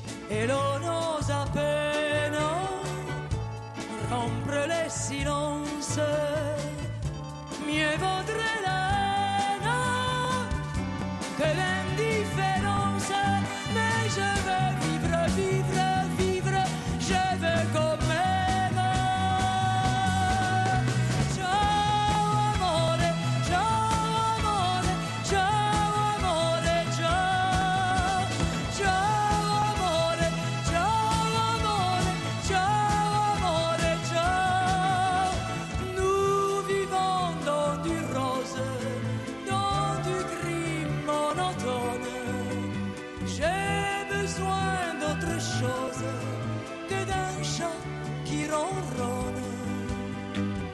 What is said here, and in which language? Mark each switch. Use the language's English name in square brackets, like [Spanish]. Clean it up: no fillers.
[French] Et l'on ose à peine rompre le silence, mieux vaudrait la haine que l'indifférence. Mais je veux vivre, vivre, vivre, je veux qu'on m'aime. [Italian] Ciao amore, ciao amore, ciao amore, ciao. Ciao amore, ciao amore, ciao amore, ciao. [French] Nous vivons dans du rose, dans du gris monotone. J'ai besoin d'autre chose que d'un chat qui ronronne.